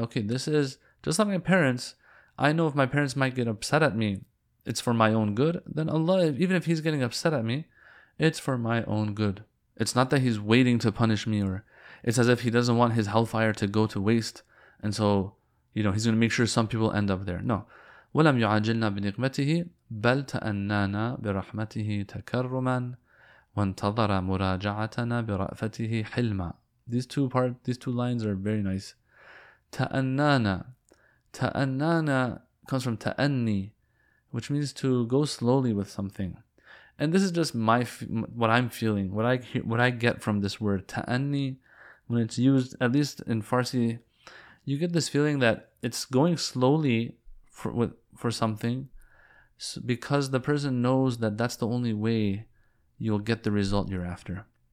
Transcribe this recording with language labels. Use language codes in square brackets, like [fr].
[en] Okay, this is just like my parents. I know if my parents might get upset at me, it's for my own good. Then Allah, even if he's getting upset at me, it's for my own good. It's not that he's waiting to punish me, or it's as if he doesn't want his hellfire to go to waste. And so, you know, he's going to make sure some people end up there. No. [ar] وَلَمْ يُعَجِلْنَا بِنِقْمَتِهِ بَلْ تَأَنَّانَا بِرَحْمَتِهِ تَكَرُّمًا وَانْتَظَرَ مُرَاجَعَتَنَا بِرَأْفَتِهِ حِلْمًا [en] These two lines are very nice. تَأَنَّانَا Ta'annana comes from ta'anni, which means to go slowly with something. And this is just what I'm feeling, what I get from this word. Ta'anni, when it's used, at least in Farsi, you get this feeling that it's going slowly for something because the person knows that that's the only way you'll get the result you're after.